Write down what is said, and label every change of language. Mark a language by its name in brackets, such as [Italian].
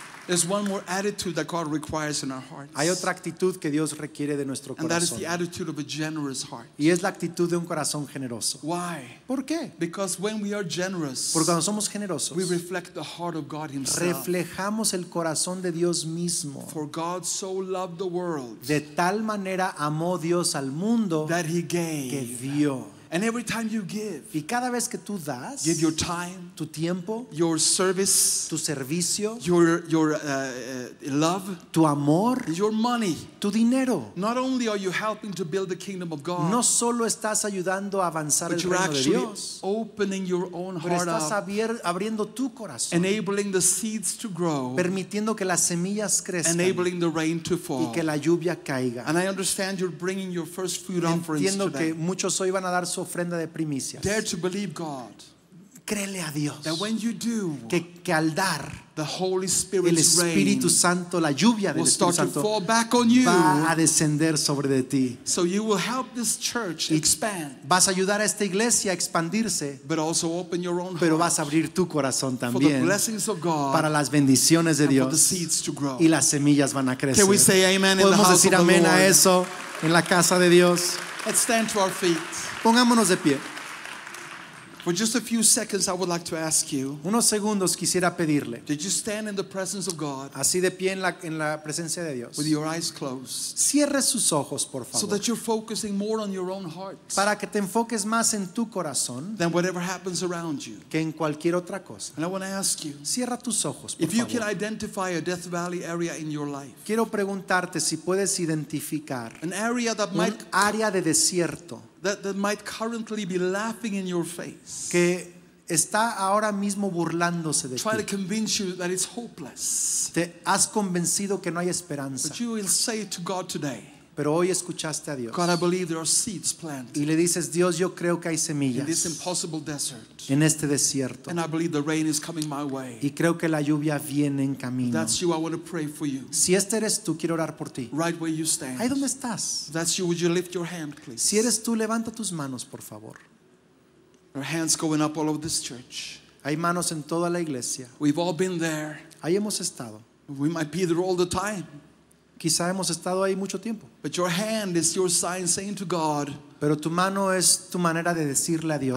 [English] There's one more attitude that God requires in our hearts. [Spanish] Hay otra actitud que Dios requiere de nuestro corazón. [English] And that is the attitude of a generous heart. [Spanish] Y es la actitud de un corazón generoso. [English] Why? [Spanish] ¿Por qué? [English] Because when we are generous, [Spanish] porque cuando somos generosos, [English] we reflect the heart of God himself. [Spanish] Reflejamos el corazón de Dios mismo. [English] For God so loved the world, [Spanish] de tal manera amó Dios al mundo, [English] that he gave, [Spanish] que dio. [English] And every time you give, [Spanish] y cada vez que tú das, [English] give your time, [Spanish] tu tiempo, [English] your service, [Spanish] tu servicio, [English] your love, [Spanish] tu amor, [English] your money, [Spanish] tu dinero. [English] Not only are you helping to build the kingdom of God, [Spanish] no solo estás ayudando a avanzar [English] but [Spanish] el reino de Dios, [English] opening your own heart [Spanish] up, abriendo tu corazón, [English] enabling the seeds to grow, [Spanish] permitiendo que las semillas crezcan, [English] enabling the rain to fall, [Spanish] y que la lluvia caiga. [English] And I understand you're bringing your first fruit offerings [Spanish] entiendo [English] today. [Spanish] Que muchos hoy van a dar su ofrenda de primicias. [English] Dare to believe God. [Spanish] Créele a Dios. [English] That when you do, [Spanish] que al dar, [English] the Holy Spirit's [Spanish] el Espíritu Santo, la lluvia del Espíritu Santo, [English] fall back on you, [Spanish] va a descender sobre de ti. [English] So you will help this church expand. [Spanish] Vas a ayudar a esta iglesia a expandirse. [English] But also open your own heart. [Spanish] Pero vas a abrir tu corazón también. [English] For the blessings of God, [Spanish] para las bendiciones de [English] and [Spanish] Dios. [English] For the seeds to grow. [Spanish] Y las semillas van a crecer. [English] Can we say amen in the [Spanish] podemos [English] house [Spanish] decir [English] of [Spanish] amén [English] the Lord? [Spanish] A eso en la casa de Dios. [English] Let's stand to our feet. [Spanish] Pongámonos de pie. [English] For just a few seconds, I would like to ask you. [Spanish] Unos segundos quisiera pedirle. [English] Did you stand in the presence of God? [Spanish] Así de pie en la presencia de Dios. [English] With your eyes closed. [Spanish] Cierre sus ojos, por favor. [English] So that you're focusing more on your own heart. [Spanish] Para que te enfoques más en tu corazón. [English] Than whatever happens around you. [Spanish] Que en cualquier otra cosa. [English] And I want to ask you. [Spanish] Cierra tus ojos, por favor. [English] you can identify a Death Valley area in your life. [Spanish] Quiero preguntarte si puedes identificar [English] an area that might [Spanish] un área de desierto. [English] That might currently be laughing in your face. [Spanish] Que está ahora mismo burlándose de [English] try [Spanish] ti. [English] Try to convince you that it's hopeless. [Spanish] Te has convencido que no hay esperanza. [English] But you will say it to God today. [Spanish] Pero hoy escuchaste a Dios. [English] God, I believe there are seeds planted. [Spanish] Y le dices, Dios, yo creo que hay semillas. [English] In this impossible desert. [Spanish] En este desierto. [English] And I believe the rain is coming my way. [Spanish] Y creo que la lluvia viene en camino. [English] That's you. I want to pray for you. [Spanish] Si este eres tú, quiero orar por ti. [English] Right where you stand. [Spanish] Ahí donde estás. [English] That's you. Would you lift your hand, please? [Spanish] Si eres tú, levanta tus manos, por favor. [English] Our hands going up all over this church. [Spanish] Hay manos en toda la iglesia. [English] We've all been there. [Spanish] Ahí hemos estado. [English] We might be there all the time. [Spanish] Quizá hemos estado ahí mucho tiempo. [English] But your hand is your sign saying to God, [Spanish] pero tu mano es tu manera de decirle a Dios,